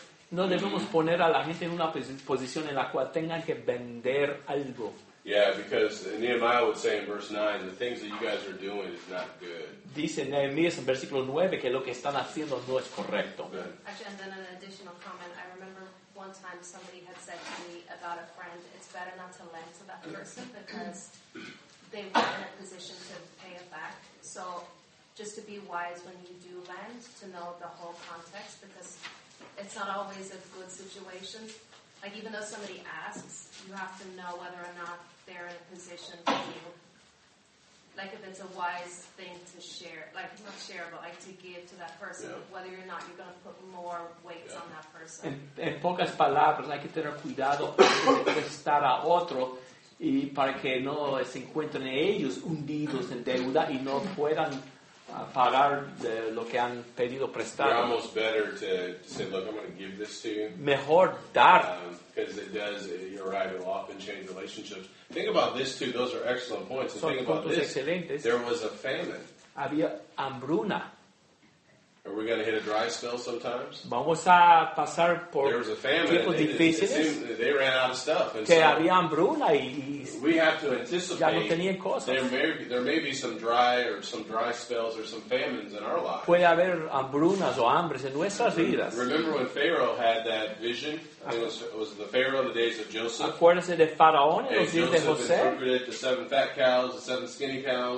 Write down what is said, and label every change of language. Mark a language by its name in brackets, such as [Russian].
[Spanish] No debemos poner a la gente en una posición en la cual tengan que vender algo. [English] Yeah, because Nehemiah would say in verse 9, the things that you guys are doing is not good. [Spanish] Dice Nehemías en versículo 9 que lo que están haciendo no es correcto. [English] Actually, and then an additional comment. I remember one time somebody had said to me about a friend, it's better not to lend to that person because they weren't in a position to pay it back. So just to be wise when you do lend, to know the whole context, because it's not always a good situation. Like, even though somebody asks, you have to know whether or not they're in a position to, like, if it's a wise thing to share, like, not share, but, like, to give to that person, yeah. Whether or not you're going to put more weight on that person. [Spanish] En pocas palabras, hay que tener cuidado de prestar a otro y para que no se encuentren ellos hundidos en deuda y no puedan pagar de lo que han pedido prestar. [English] You're almost better to say, look, I'm going to give this to you. [Spanish] Mejor dar. [English] Because it does, you're right, it'll often change relationships. Think about this too, those are excellent points. [Spanish] Son [English] think about this, [Spanish] excelentes. [English] There was a famine. [Spanish] Había hambruna. [English] Are we going to hit a dry spell sometimes? [Spanish] Vamos a pasar por tiempos difíciles. [English] There was a famine. They ran out of stuff. [Spanish] Que había hambruna y [English] we have to anticipate. [Spanish] Ya no tenían cosas. [English] There may be some dry spells or some famines in our lives. [Spanish] Puede haber hambrunas o hambres en nuestras vidas. [English] Remember when Pharaoh had that vision? It was the Pharaoh in the days of Joseph. [Spanish] Acuérdense de Faraón en los días [English] Joseph [Spanish] de José. [English] Interpreted the seven fat cows, the seven skinny cows.